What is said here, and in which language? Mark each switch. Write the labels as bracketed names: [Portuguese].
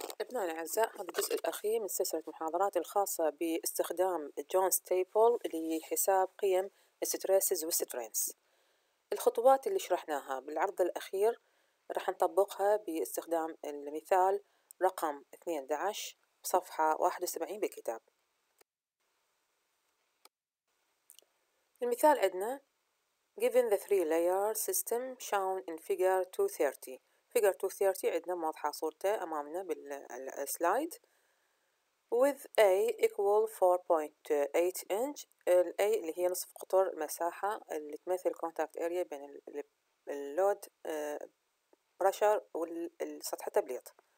[Arabic] طلابنا الأعزاء، هذا الجزء الأخير من سلسلة محاضرات الخاصة باستخدام جون ستيبل لحساب قيم الستريسز والسترينس. الخطوات اللي شرحناها بالعرض الأخير راح نطبقها باستخدام المثال رقم 12 صفحة 71 بالكتاب. المثال عندنا [English] given the three layer system shown in figure 230. [Arabic] Figure 230 عندنا واضحة صورته أمامنا بالسلايد. [English] With A equal 4.8 inch. [Arabic] الـ A اللي هي نصف قطر المساحة اللي تمثل contact area بين اللود برشر والسطح التبليط.